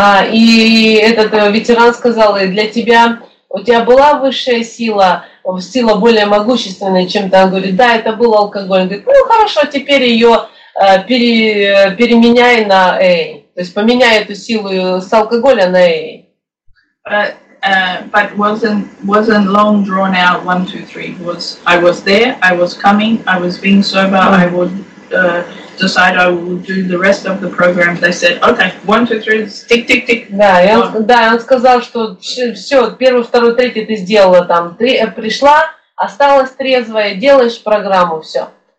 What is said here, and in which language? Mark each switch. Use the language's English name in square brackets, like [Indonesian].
[Russian] И этот ветеран сказал, для тебя, у тебя была высшая сила, сила более могущественная, чем ты? Он говорит, да, это был алкоголь. Он говорит, ну хорошо, теперь ее переменяй на A, то есть поменяй эту силу с алкоголя на A. [English] But wasn't long drawn out 1, 2, 3. Was I was there, I was coming, I was being sober, I would decide I will do the rest of the program, they said, okay, 1, 2, 3, tick, tick, tick. [Russian] Да, и он, да, он сказал, что все, первую, вторую, третью ты сделала там, три, пришла, осталась трезвая, делаешь программу, все.